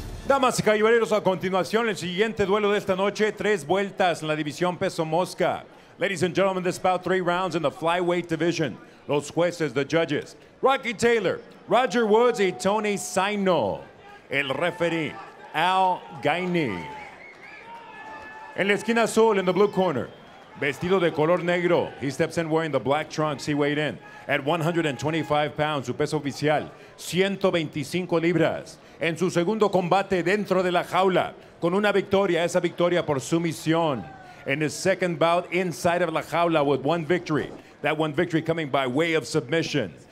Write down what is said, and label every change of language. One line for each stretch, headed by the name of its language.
Spanish: Damas y caballeros, a continuación, el siguiente duelo de esta noche, tres vueltas en la división peso mosca.
English: Ladies and gentlemen, this bout, three rounds in the flyweight division.
Spanish: Los jueces,
English: the judges,
Spanish: Rocky Taylor, Roger Woods, y Tony Saino. El referee,
English: Al Gainey.
Spanish: En la esquina azul,
English: in the blue corner,
Spanish: vestido de color negro,
English: he steps in wearing the black trunks, he weighed in. At 125 pounds,
Spanish: su peso oficial, 125 libras. En su segundo combate dentro de la jaula, con una victoria, esa victoria por sumisión.
English: In his second bout inside of
Spanish: la jaula
English: with one victory. That one victory coming by way of submission.